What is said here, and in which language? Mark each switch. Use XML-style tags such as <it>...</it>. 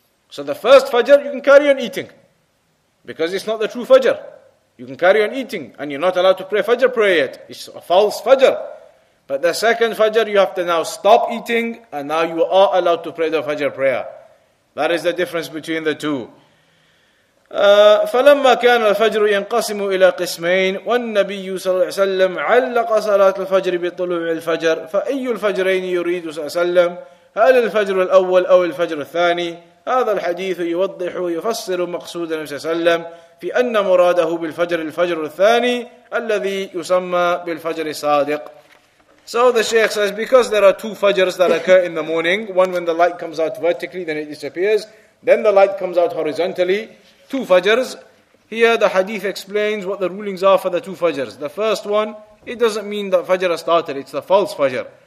<en>So the first Fajr, you can carry on eating, because it's not the true Fajr. You can carry on eating, and you're not allowed to pray Fajr prayer yet. It's a false Fajr. But the second Fajr, you have to now stop eating, and now you are allowed to pray the Fajr prayer. That is the difference between the two.</en> <ar>فلما كان الفجر ينقسم إلى قسمين والنبي صلى الله عليه وسلم علق صلاة الفجر بطلوع الفجر فأي الفجرين يريد صلى الله عليه وسلم هل الفجر الأول أو الفجر الثاني هذا الحديث يوضح ويفسر مقصود النبي صلى الله عليه وسلم في أن مراده بالفجر الفجر الثاني الذي يسمى بالفجر الصادق.</ar> <en>So the Shaykh says, because there are two fajrs that occur in the morning, one when the light comes out vertically, then it disappears, then the light comes out horizontally. Two fajrs. Here the hadith explains what the rulings are for the two fajrs. The first one, it doesn't mean that fajr has started. It's the false fajr.</en>